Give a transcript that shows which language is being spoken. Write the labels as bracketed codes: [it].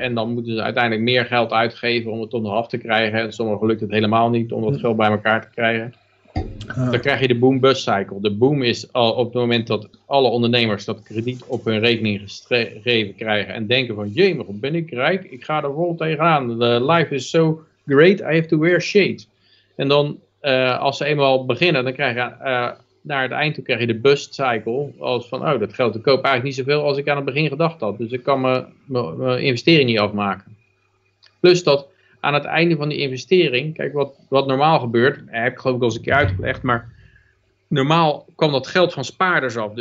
[nl] En dan moeten ze uiteindelijk meer geld uitgeven om het onder af te krijgen. En sommigen lukt het helemaal niet om dat geld bij elkaar te krijgen. Dan krijg je de boom-bust cycle. De boom is al op het moment dat alle ondernemers dat krediet op hun rekening gegeven krijgen en denken van, jemig, ben ik rijk? Ik ga er vol tegenaan. [en] The life is so great, I have to wear shades. [nl] En dan, als ze eenmaal beginnen, dan krijg je naar het eind toe krijg je de bust cycle. Als van, oh, dat geld te koop eigenlijk niet zoveel als ik aan het begin gedacht had. Dus ik kan mijn investering niet afmaken. Plus dat aan het einde van die investering, kijk wat normaal gebeurt, heb ik geloof ik al eens een keer uitgelegd, maar normaal kwam dat geld van spaarders af.